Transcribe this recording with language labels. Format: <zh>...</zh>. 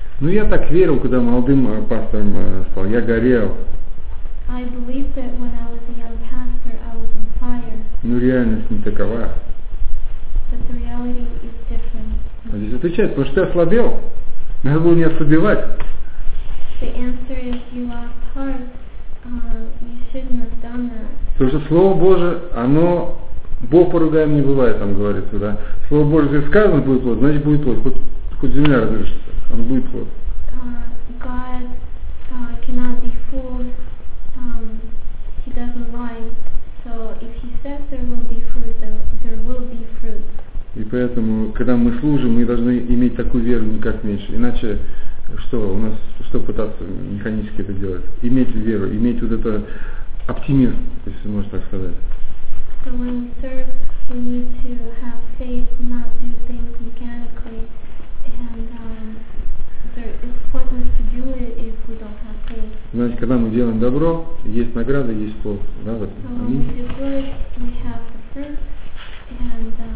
<ru>Ну я так верил, когда молодым пастором стал, я горел.</ru> <en>I believed that when I was a young pastor, I was on fire.</en> <ru>Ну реальность не такова.</ru> <en>But the reality is different.</en> <ru>А здесь отвечает, потому что ты ослабел. Надо было не ослабевать.</ru> <en>The answer is you lost heart. You shouldn't have done that.</en> <ru>Потому что Слово Божие, оно, Бог поругаем не бывает, там говорится, да. Слово Божие, если сказано, будет плод, значит будет плод. Хоть земля разрушится, оно будет плод.</ru> <en>God cannot be fooled. He doesn't lie. So if he says there will be fruit, there will be fruit.</en> <ru>И поэтому, когда мы служим, мы должны иметь такую веру, никак меньше. Иначе что у нас, что пытаться механически это делать? Иметь веру, иметь вот это оптимизм, если можно так сказать.</ru> <en>So when we serve, we need to have faith, not do things mechanically. And it's pointless to do it if we don't have faith.</en> <ru>Значит, когда мы делаем добро, есть награда, есть плод. Да, вот.</ru> <en>So when we do good, we have the fruit, and</en>